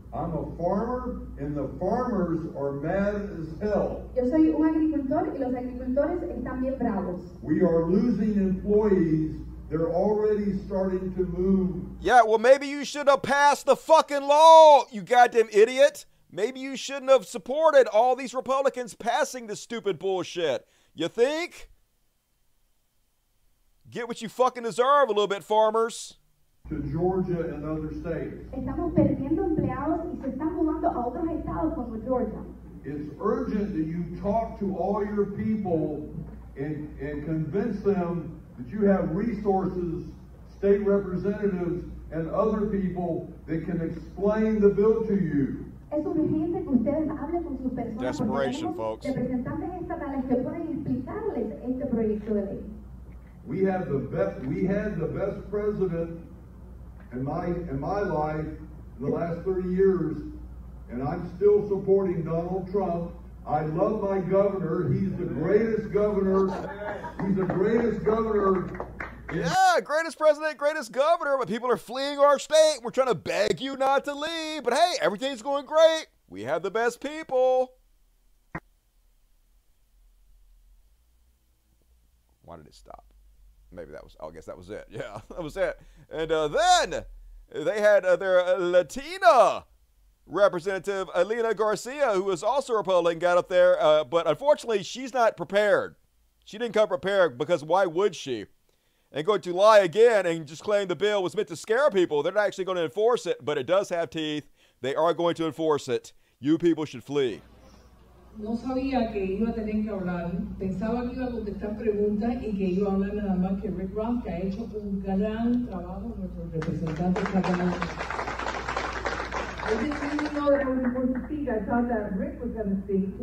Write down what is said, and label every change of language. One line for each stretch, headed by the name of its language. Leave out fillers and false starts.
English: I'm a farmer, and the farmers are mad as hell.
Spanish: Yo soy un agricultor, y los agricultores están bien bravos.
English: We are losing employees. They're already starting to move. Yeah, well, maybe you should have passed the fucking law, you goddamn idiot. Maybe you shouldn't have supported all these Republicans passing this stupid bullshit. You think? Get what you fucking deserve a little bit, farmers. To Georgia and other states.
Spanish: Estamos perdiendo empleados y se están mudando a otros estados como Georgia.
English: It's urgent that you talk to all your people and convince them that you have resources, state representatives, and other people that can explain the bill to you.
Spanish: Es urgente que ustedes hablen con sus personas.
English: Desperation, folks.
Spanish: Representantes estatales que pueden explicarles este proyecto de ley.
English: We have the best. We had the best president in my life in the last 30 years, and I'm still supporting Donald Trump. I love my governor. He's the greatest governor. He's the greatest governor. Yeah, greatest president, greatest governor. But people are fleeing our state. We're trying to beg you not to leave. But hey, everything's going great. We have the best people. Why did it stop? Maybe that was, I guess that was it. Yeah, that was it. And then they had their Latina representative, Elena Garcia, who was also a Republican, got up there. But unfortunately, she's not prepared. She didn't come prepared because why would she? And going to lie again and just claim the bill was meant to scare people. They're not actually going to enforce it, but it does have teeth. They are going to enforce it. You people should flee.
Spanish: No sabía que iba a tener que hablar. Pensaba que iba a contestar preguntas y que iba a hablar nada más que Rick Ross, que ha hecho un gran trabajo nuestro representante estatal.
English: I thought that Rick was going to speak,